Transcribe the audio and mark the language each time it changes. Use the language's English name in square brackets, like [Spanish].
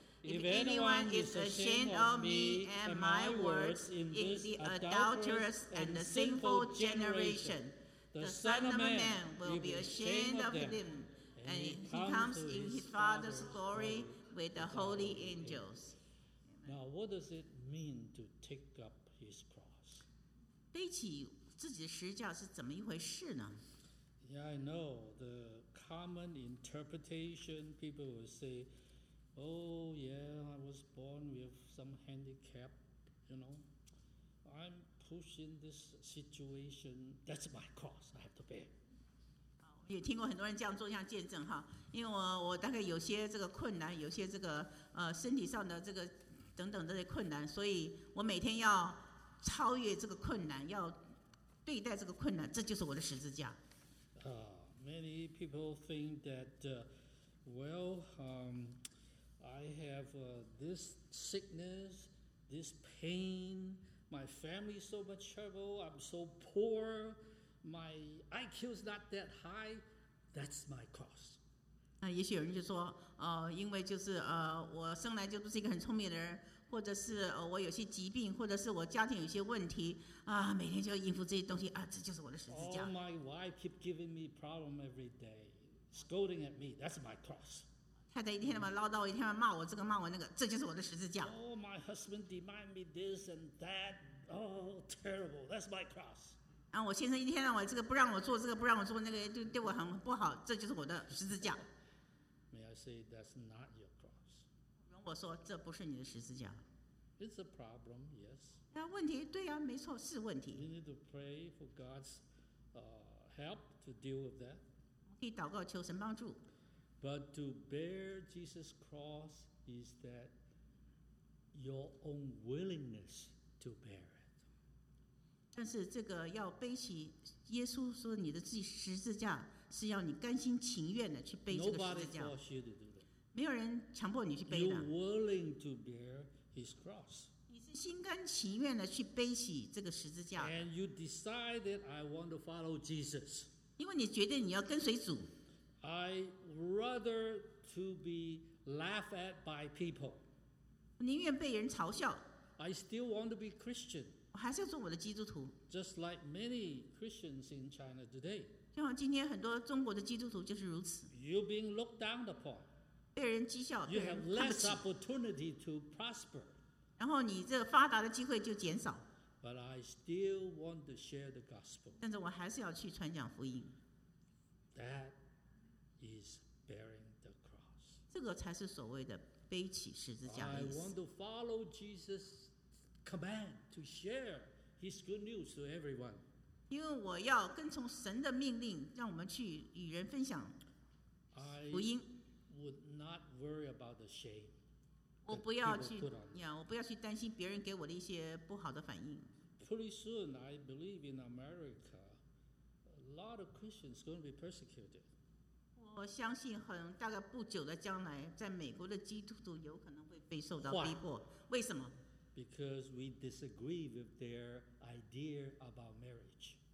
[English] If anyone is ashamed of me and my words in this adulterous and sinful generation, the Son of Man will be ashamed of them. And he comes in his Father's glory with the holy angels." Now, what does it mean to take up his cross? [Chinese] 背起自己的十字架是怎么一回事呢？ [English] Yeah, I know the common interpretation. People will say, "Oh, yeah, I was born with some handicap, you know, I'm pushing this situation. That's my cross. I have to bear. [Chinese] 也听过很多人这样做，这样见证哈。因为 我大概有些这个困难，有些这个身体上的这个等等这些困难，所以我每天要超越这个困难，要对待这个困难，这就是我的十字架。 [English] Many people think that, well, I have this sickness, this pain, my family so much trouble, I'm so poor. My IQ is not that high. That's my cross. [Chinese] 那也许有人就说，因为就是我生来就不是一个很聪明的人，或者是我有些疾病，或者是我家庭有些问题啊，每天就要应付这些东西啊，这就是我的十字架。 [English] All my wife keep giving me problem every day, scolding at me. That's my cross. [Chinese] 太太一天他妈唠叨，一天他妈骂我这个骂我那个，这就是我的十字架。 [English] Oh, my husband demand me this and that. Oh, terrible. That's my cross. [Chinese] 啊、我先生一天到晚这个不让我做，这个不让我做，那个就对我很不好，这就是我的十字架。 [English] May I say that's not your cross? [Chinese] 容我说，这不是你的十字架。 [English] It's a problem, yes. [Chinese] 那、啊、问题，对呀、啊，没错，是问题。 [English] We need to pray for God's help to deal with that. [Chinese] 可以祷告求神帮助。 [English] But to bear Jesus' cross is that your own willingness to bear. [Chinese] 但是这个要背起耶稣说你的自己十字架是要你甘心情愿的去背这个十字架。 [English] Nobody forced you to do that. [Chinese] 没有人强迫你去背的。 [English] You're willing to bear his cross. [Chinese] 你是心甘情愿的去背起这个十字架。 [English] And you decided I want to follow Jesus. [Chinese] 因为你决定你要跟随主。 [English] I rather to be laughed at by people. [Chinese] 宁愿被人嘲笑。 [English] I still want to be Christian. [Chinese] 我还是要做我的基督徒。 [English] Just like many Christians in China today. [Chinese] 就像今天很多中国的基督徒就是如此。 [English] You're being looked down upon. [Chinese] 被人讥笑。 [English] You have less opportunity to prosper. [Chinese] 然后你这发达的机会就减少。 [English] But I still want to share the gospel. [Chinese] 但是我还是要去传讲福音。 [English] That is bearing the cross. [Chinese] 这个才是所谓的背起十字架的意思。 [English] I want to follow Jesus. Command to share his good news to everyone. [Chinese] 因为我要跟从神的命令，让我们去与人分享福音。 [English] I would not worry about the shame. [Chinese] 我不要去呀，我不要去担心别人给我的一些不好的反应。 [English] Pretty soon, I believe in America, a lot of Christians are going to be persecuted. [Chinese] 我相信很大概不久的将来，在美国的基督徒有可能会被受到逼迫。为什么？ [English] Because we disagree with their idea about marriage.